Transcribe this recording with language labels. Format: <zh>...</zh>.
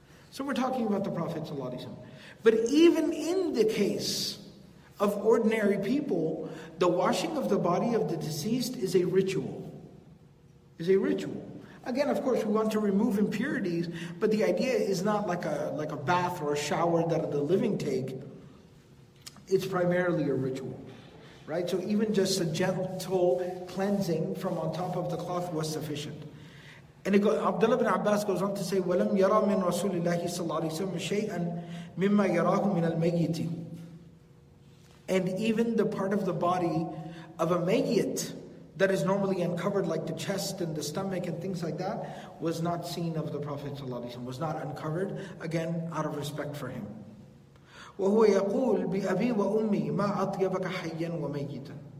<en>So we're talking about the Prophet ﷺ. But even in the case of ordinary people, the washing of the body of the deceased is a ritual. Is a ritual. Again, of course, we want to remove impurities, but the idea is not like a bath or a shower that the living take. It's primarily a ritual, right? So even just a gentle cleansing from on top of the cloth was sufficient. And Abdullah ibn Abbas goes on to say,</en> <ar>وَلَمْ يَرَى مِنْ رَسُولِ اللَّهِ صَلَّى اللَّهِ وَسَلَّمَ شَيْئًا مِمَّا يَرَاهُ مِنَ الْمَيِّتِ.</ar> <en>And even the part of the body of a mayyit that is normally uncovered, like the chest and the stomach and things like that, was not seen of the Prophet ﷺ, was not uncovered, again, out of respect for him.</en> <ar>وَهُوَ يَقُولُ بِأَبِي وَأُمِّي مَا أَطْيَبَكَ حَيًّا وَمَيِّتًا.</ar>